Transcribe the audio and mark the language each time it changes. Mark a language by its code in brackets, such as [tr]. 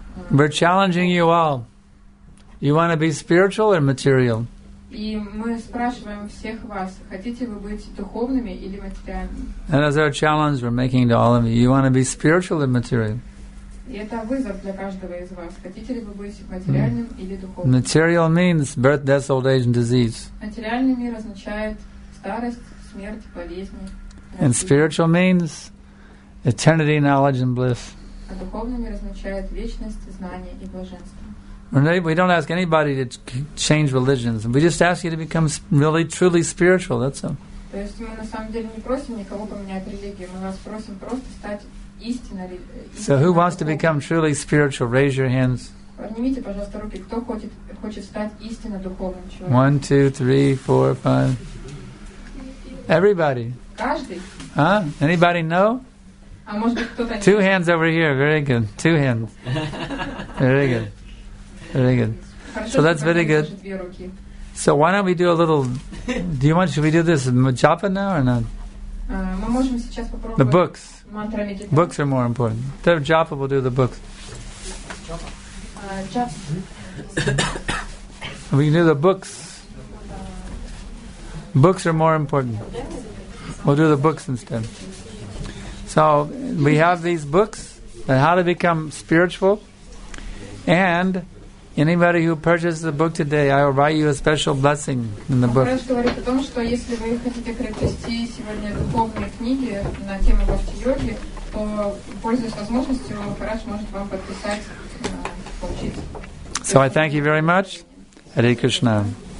[en] We're challenging you all. You want to be spiritual or material? That is our challenge we're making to all of you. You want to be spiritual or material? [ru] И это вызов для каждого из вас. Хотите ли вы быть материальным или духовным? [en] Material means birth, death, old age, and disease. [ru] Материальный мир означает старость, смерть, болезни. [en] And spiritual means eternity, knowledge, and bliss. [ru] А духовный мир означает вечность, знание и блаженство. [en] We don't ask anybody to change religions. We just ask you to become really, truly spiritual. That's all. [ru] То есть мы на самом деле не просим никого поменять религию. Мы вас просим просто стать [en] So who wants to become truly spiritual? Raise your hands. [ru] Поднимите, пожалуйста, руки. Кто хочет стать истинно духовным человеком? [en] 1, 2, 3, 4, 5. Everybody. [ru] Каждый. [en] Huh? Anybody know? [ru] А может быть кто-то. [en] Two hands over here. Very good. Two hands. Very good. Very good. [ru] Хорошо, [en] so that's very good. So why don't we do a little? Do you want? Should we do this japa now or not? [ru] Мы можем сейчас попробовать. [en] The books. Books are more important. The japa will do the books. We can do the books. Books are more important. We'll do the books instead. So we have these books on how to become spiritual. And anybody who purchases a book today, I will write you a special blessing in the book. [ru] Мантра говорит о том, что если вы хотите приобрести сегодня духовные книги на тему бхакти-йоги, то, пользуясь возможностью, Махарадж может вам подписать, получить. [en] So I thank you very much. Hare Krishna.